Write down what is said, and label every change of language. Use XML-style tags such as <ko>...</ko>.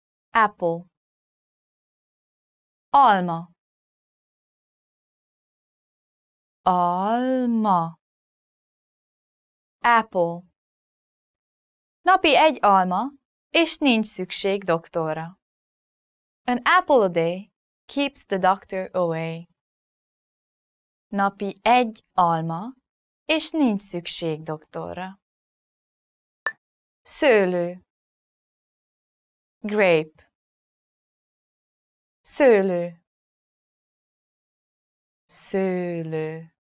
<en>Apple.</en> <hu>Alma. Alma.</hu> <en>Apple.</en> <hu>Napi egy alma, és nincs szükség doktorra.</hu> <en>An apple a day keeps the doctor away.</en> <hu>Napi egy alma, és nincs szükség doktorra. Szőlő.</hu> <en>Grape.</en> <hu>Szőlő. Szőlő.</hu>